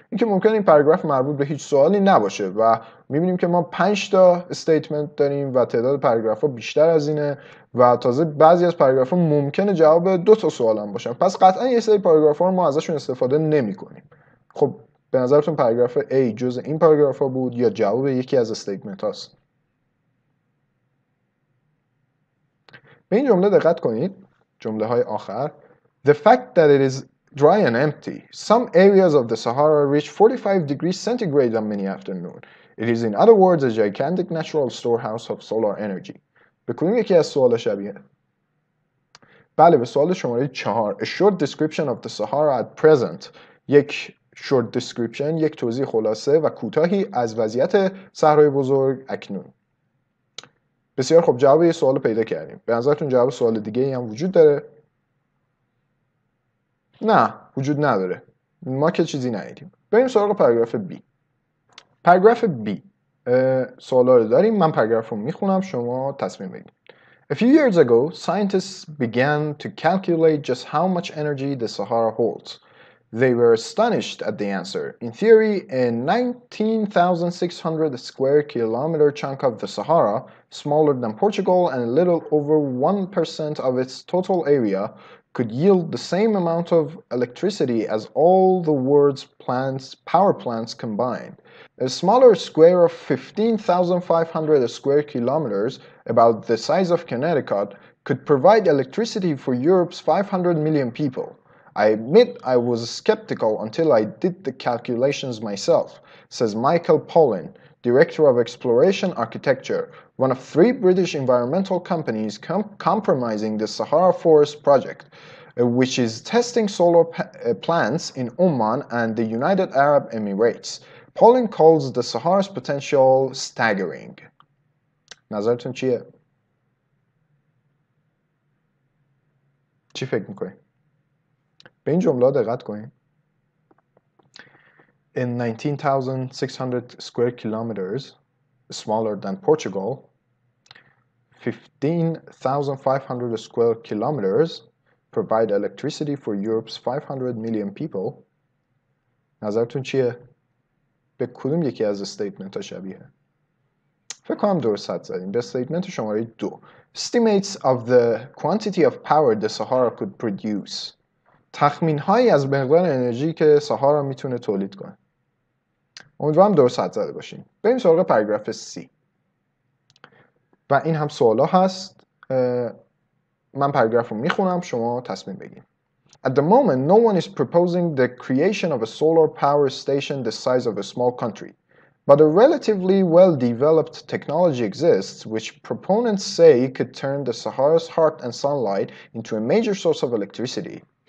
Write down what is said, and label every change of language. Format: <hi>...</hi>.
<fa>اینکه ممکنه این پاراگراف مربوط به هیچ سوالی نباشه و میبینیم که ما 5 تا استیتمنت داریم و تعداد پاراگراف ها بیشتر از اینه و تازه بعضی از پاراگراف ها ممکنه جواب دو تا سوال هم باشن. پس قطعا یه سری پاراگراف ها رو ما ازشون استفاده نمی کنیم. خب به نظرتون پاراگراف A جز این پاراگراف ها بود یا جواب یکی از استیتمنت هاست؟ به این جمله دقت کنید. جمله های آخر.</fa> <en>The fact that it is dry and empty. Some areas of the Sahara reach 45 degrees centigrade on many afternoons. It is, in other words, a gigantic natural storehouse of solar energy.</en> <fa>بکنیم یکی از سوال شبیه. بله، به سوال شماره 4.</fa> <en>A short description of the Sahara at present.</en> <fa>یک short description، یک توضیح خلاصه و کوتاهی از وضعیت صحرای بزرگ اکنون. بسیار خوب، جواب یه سوال پیدا کردیم. به نظرتون جواب سوال دیگه ای هم وجود داره؟ نه، وجود نداره. ما که چیزی ندیدیم. بریم سراغ پاراگراف B. پاراگراف B. سوالا رو داریم. من پاراگراف رو میخونم، شما تصمیم بگیرید.</fa> <en>A few years ago, scientists began to calculate just how much energy the Sahara holds. They were astonished at the answer. In theory, a 19,600 square kilometer chunk of the Sahara, smaller than Portugal and a little over 1% of its total area, could yield the same amount of electricity as all the world's plants, power plants combined. A smaller square of 15,500 square kilometers, about the size of Connecticut, could provide electricity for Europe's 500 million people. I admit I was skeptical until I did the calculations myself, says Michael Pollan, Director of Exploration Architecture, one of three British environmental companies compromising the Sahara Forest Project, which is testing solar plants in Oman and the United Arab Emirates. Pollan calls the Sahara's potential staggering.</en> <fa>نظرتون چیه؟ چی فکر میکنی؟ به این جمله دقت کنید. In 19,600 square kilometers, smaller than Portugal, 15,500 square kilometers provide electricity for Europe's 500 million people. نظرتون چیه؟ به کدوم یکی از استیتمنت ها شبیه؟ فکر کنم درست حد زدیم. به استیتمنت شماره 2.</fa> <en>Estimates of the quantity of power the Sahara could produce.</en> <fa>تخمین هایی از مقدار انرژی که سهارا میتونه تولید کنه. امیدوارم درست حد زده باشین. بریم سراغ پاراگراف C. و این هم سوال ها هست. من پاراگراف رو میخونم، شما تصمیم بگیم.</fa> <en>At the moment, no one is proposing the creation of a solar power station the size of a small country. But a relatively well-developed technology exists, which proponents say could turn the Sahara's heart and sunlight into a major source of electricity.</en>